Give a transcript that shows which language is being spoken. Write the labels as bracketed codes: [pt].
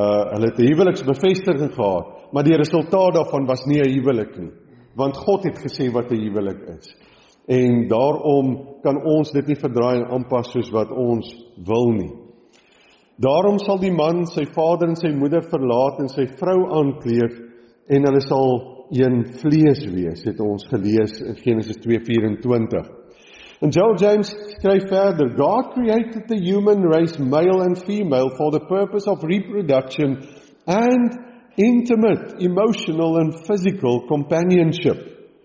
[af] Hulle het 'n huweliksbevestiging gehad. Maar die resultaat daarvan was nie 'n huwelik nie. Want God het gesê wat 'n huwelik is. En daarom kan ons dit nie verdraai en aanpas soos wat ons wil nie. Daarom sal die man sy vader en sy moeder verlaat en sy vrou aankleef. En hulle sal een vlees wees, het ons gelees in Genesis 2:24. En Joel James skryf verder, [en] God created the human race male and female for the purpose of reproduction and intimate, emotional and physical companionship.